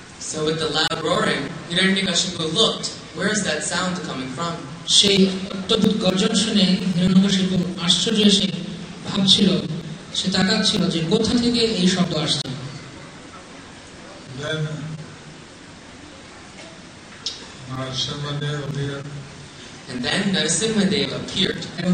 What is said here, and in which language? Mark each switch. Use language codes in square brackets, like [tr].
[en] So with the loud roaring, Hiranyakashipu looked, where is that sound coming from? [bn] সেই অদ্ভুত গর্জন শুনে হিরণ্যকশিপু আশ্চর্য হয়ে ভাবছিল, সে তাকাচ্ছিল যে কোথা থেকে এই শব্দ আসছে। [en] Then And then Narasimhadev appeared.